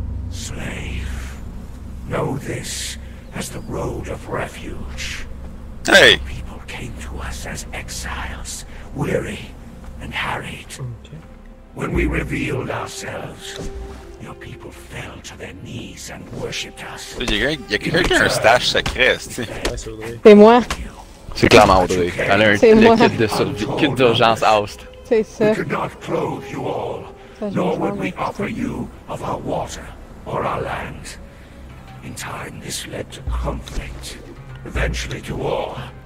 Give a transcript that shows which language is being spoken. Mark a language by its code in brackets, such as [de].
[en] Slave, know this as the road of refuge. Hey! People came to us as exiles, weary and harried. Okay. When we revealed ourselves, your people fell to their knees and worshipped us. Did you hear your stash secret? [fr] C'est moi. C'est clairement Audrey. Elle a un kit de kit d'urgence Aust. C'est ça. [en] We could not clothe you all, nor would we offer you of our water or our land. In time, this led to conflict, eventually to war.